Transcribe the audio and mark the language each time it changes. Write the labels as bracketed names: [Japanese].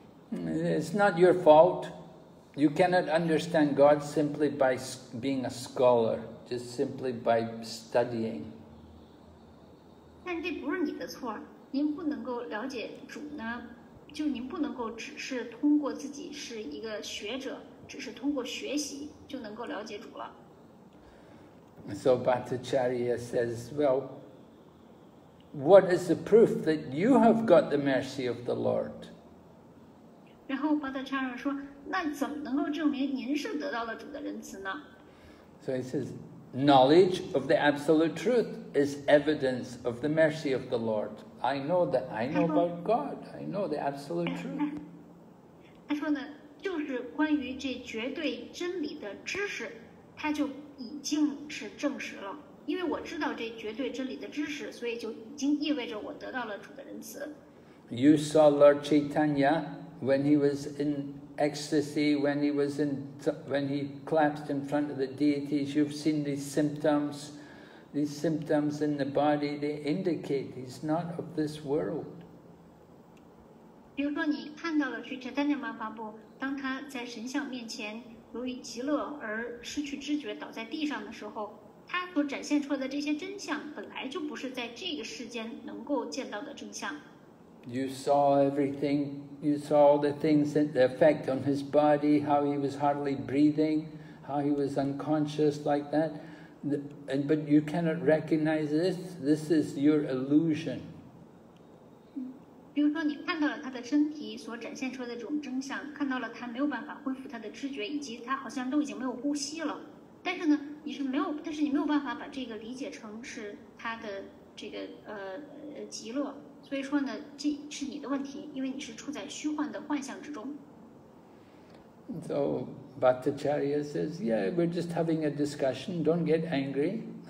[English] It's not your fault. You cannot understand God simply by being a scholar, just simply by studying. [Chinese] 但这不是你的错，您不能够了解主呢。就您不能够只是通过自己是一个学者，只是通过学习就能够了解主了。 [English] So Bhattacharya says, well, what is the proof that you have got the mercy of the Lord? [Chinese] 然后 Bhattacharya 说，那怎么能够证明您是得到了主的仁慈呢？ [English] So he says, knowledge of the absolute truth is evidence of the mercy of the Lord. I know that I know about God. I know the absolute truth. [Chinese] 他说呢，就是关于这绝对真理的知识，他就已经是证实了。因为我知道这绝对真理的知识，所以就已经意味着我得到了主的仁慈。 [English] You saw Lord Chaitanya when he was in ecstasy, when he collapsed in front of the deities. You've seen these symptoms. These symptoms in the body, they indicate he's not of this world. [Chinese] 比如说你看到了去查丹尼玛法布，当他在神像面前由于极乐而失去知觉倒在地上的时候，他所展现出来的这些真相本来就不是在这个世间能够见到的真相。 [English] You saw everything, you saw all the things that the effect on his body, how he was hardly breathing, how he was unconscious like that. But you cannot recognize this. This is your illusion. [Chinese] 比如说，你看到了他的身体所展现出来的这种真相，看到了他没有办法恢复他的知觉，以及他好像都已经没有呼吸了。但是呢，你是没有，但是你没有办法把这个理解成是他的这个极乐。所以说呢，这是你的问题，因为你是处在虚幻的幻象之中。 [English] So. Bhattacharya says, yeah, we're just having a discussion, don't get angry.